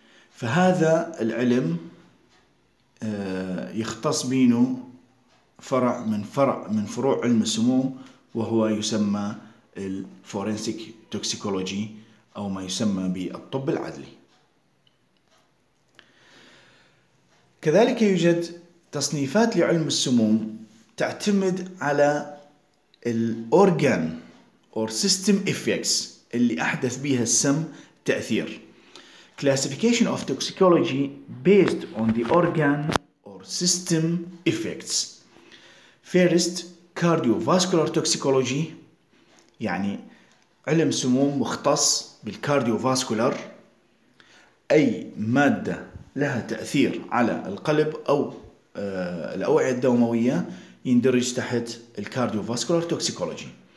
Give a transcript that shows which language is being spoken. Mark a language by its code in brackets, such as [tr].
[ar] فهذا العلم يختص بينه فرع من فروع علم السموم، وهو يسمى الفورنسيك توكسيكولوجي أو ما يسمى بالطب العدلي. كذلك يوجد تصنيفات لعلم السموم تعتمد على الأورغان [en] or system effects [ar] اللي أحدث بها السم تأثير. [en] Classification of toxicology based on the organ or system effects. First, cardiovascular toxicology، [ar] يعني علم سموم مختص بالcardiovascular، أي مادة لها تأثير على القلب أو الأوعية الدموية يندرج تحت الكارديوفاسكولار توكسيكولوجي.